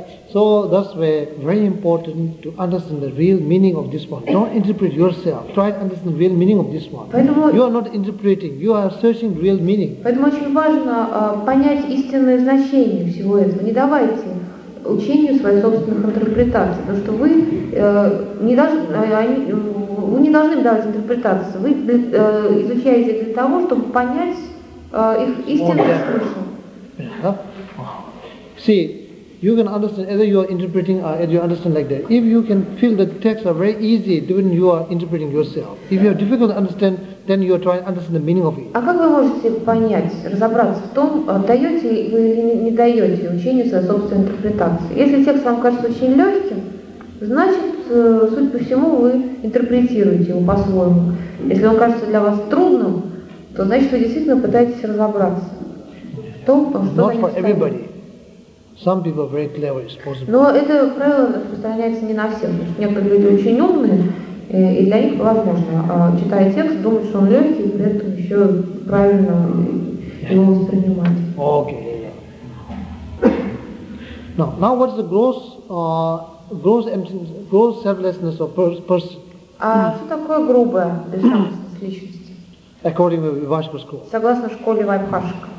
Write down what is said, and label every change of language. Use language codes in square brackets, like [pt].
[en] So that's where very important to understand the real meaning of this one. Don't interpret yourself. Try to understand the real meaning of this one. [ru] Поэтому [en] you are not interpreting. You are searching real meaning. [ru] Поэтому очень важно понять истинное значение всего этого. Не давайте учению своих собственных интерпретаций, потому что вы не должны давать интерпретации, вы изучаете для того, чтобы понять их истинный смысл. [en] Yeah. See, you can understand either you are interpreting or you understand like that. If you can feel that texts are very easy, then you are interpreting yourself. If you are difficult to understand, then you are trying to understand the meaning of it. [ru] А как вы можете понять, разобраться в том, даете вы или не даете учение своей собственной интерпретации? Если текст вам кажется очень легким, значит, судя по всему, вы интерпретируете его по-своему. Если он кажется для вас трудным, то значит, вы действительно пытаетесь разобраться в том, что они ставят. [en] Some people are very clever, it's possible. [ru] Но это правило распространяется не на всех. Некоторые люди очень умные, и для них возможно, читая текст, думать, что он легкий, и при этом еще правильно его воспринимать. [en] Okay. Now what is the gross selflessness of person? [ru] А что такое грубая безжалостность личности? [en] According to Vaishnava school. [ru] Согласно школе Вайбхашика.